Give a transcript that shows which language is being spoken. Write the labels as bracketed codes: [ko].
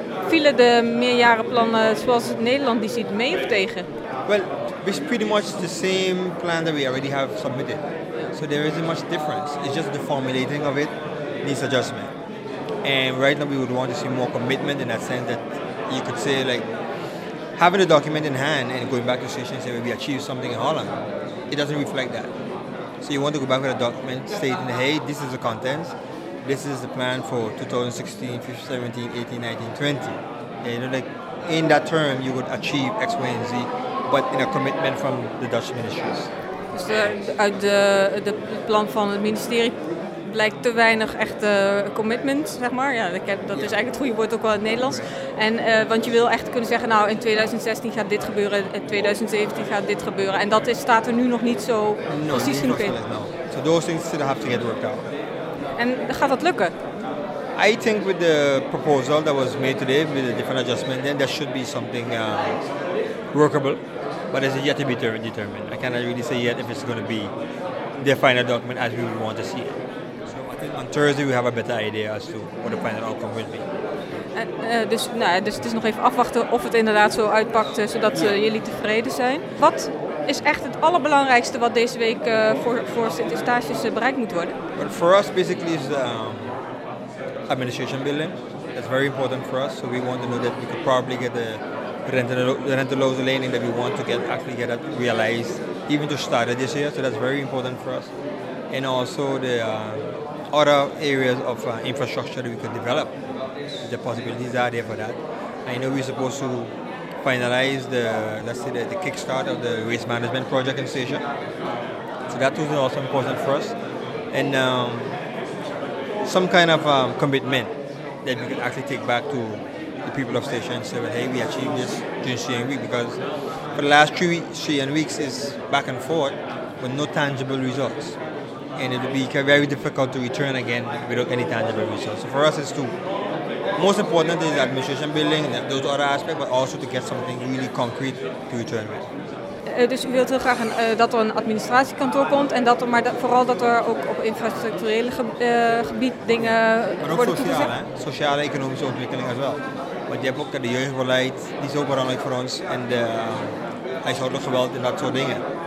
[nl] vielen de meerjarenplannen zoals Nederland die ziet mee of tegen? [en] Well, it's pretty much the same plan that we already have submitted. So there isn't much difference. It's just the formulating of it needs adjustment. And right now we would want to see more commitment in that sense that you could say, like, having a document in hand and going back to the station and saying, well, we achieved something in Holland, it doesn't reflect that. So you want to go back with a document stating, hey, this is the contents, this is the plan for 2016, 17, 18, 19, 20. And, like, in that term, you would achieve X, Y, and Z, but in a commitment from the Dutch ministries. [nl] Dus uit het plan van het ministerie blijkt te weinig echte commitment, zeg maar. Ja, dat is eigenlijk het goede woord ook wel in het Nederlands. En, want je wil echt kunnen zeggen, nou, in 2016 gaat dit gebeuren, in 2017 gaat dit gebeuren. En dat staat er nu nog niet zo precies genoeg in. [en] So those things still have to get worked out. [nl] En gaat dat lukken? [en] I think with the proposal that was made today, with the different adjustment, then there should be something workable. But it's yet to be determined. I cannot really say yet if it's going to be the final document as we would want to see it. So I think on Thursday we have a better idea as to what the final outcome will be. [nl] Dus het is nog even afwachten of het inderdaad zo uitpakt, zodat jullie tevreden zijn. Wat is echt het allerbelangrijkste wat deze week voor Sint-Eustatius bereikt moet worden? [en] But for us basically is the administration building. That's very important for us. So we want to know that we could probably get the rental lening that we want to get that realized, even to start it this year, so that's very important for us. And also the other areas of infrastructure that we could develop, the possibilities are there for that. I know we're supposed to finalize the kickstart of the waste management project in Stasia, so that was also important for us. And some kind of commitment that we can actually take back to the people of station and say, well, hey, we achieved this during CN week, because for the last three CN weeks is back and forth with no tangible results, and it would be very difficult to return again without any tangible results. So for us, it's two. Most important is the administration building and those other aspects, but also to get something really concrete to return with. [nl] Dus u wilt heel graag dat er een administratiekantoor komt, en vooral dat er ook op infrastructureel gebied dingen worden toegezet. Maar ook sociale, sociale economische ontwikkeling as well. Want je hebt ook de jeugdbeleid, die is ook belangrijk voor ons, en de huishoudelijk geweld en dat soort dingen.